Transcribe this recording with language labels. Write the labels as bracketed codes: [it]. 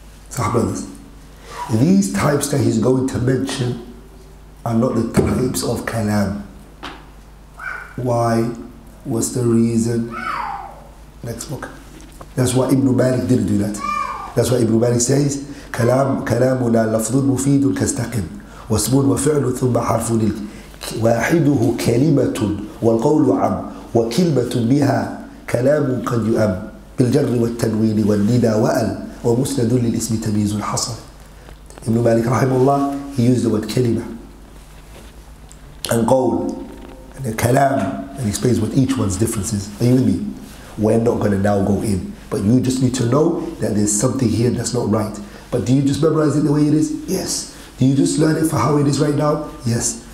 [en] So, brothers, these types that he's going to mention are not the types of kalam. Why? What's the reason? Next book. That's why Ibn Malik didn't do that. That's why Ibn Malik says, [ar] kalamuna lafdun mufidun kastaqim. واسم وفعل ثم حرف واحده كلمة والقول عم وكلمة بها كلام قد يؤم بالجر والتنوين والندى وأل ومسند للاسم تمييز الحصر. ابن مالك رحمه الله, [en] he used the word كلمة and قول and a كلام, and he explains what each one's differences. Are you with me? We're not going to now go in, but you just need to know that there's something here that's not right. But do you just memorize it the way it is? Yes. Do you just learn it for how it is right now? Yes.